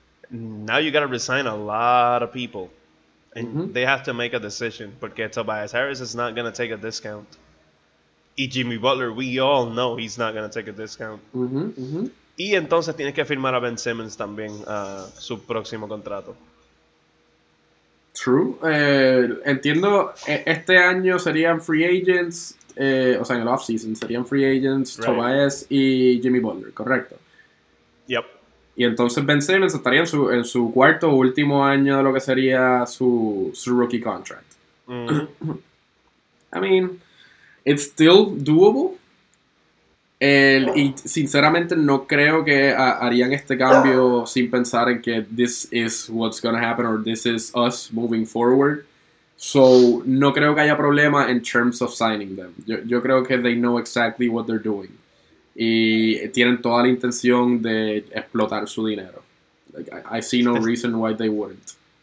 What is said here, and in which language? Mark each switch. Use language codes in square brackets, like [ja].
[en] Now you gotta resign a lot of people. And they have to make a decision. [es] Porque [en] Tobias Harris is not gonna take a discount. Y Jimmy Butler, we all know he's not gonna take a discount. [es] Y entonces tienes que firmar a Ben Simmons también su próximo contrato. [en] True. [es] Entiendo, este año serían free agents, o sea, en el offseason serían free agents, [en] right. [es] Tobias y Jimmy Butler, correcto. [en] Yep. [es] Y entonces Ben Simmons estaría en su cuarto o último año de lo que sería su rookie contract. [en] I mean, it's still doable. [es] Y sinceramente no creo que harían este cambio sin pensar en que [en] this is what's gonna happen or this is us moving forward. So, [es] no creo que haya problema [en] in terms of signing them. [es] Yo creo que [en] they know exactly what they're doing. [es] Y tienen toda la intención de explotar su dinero. [en] Like, I see no reason why they wouldn't.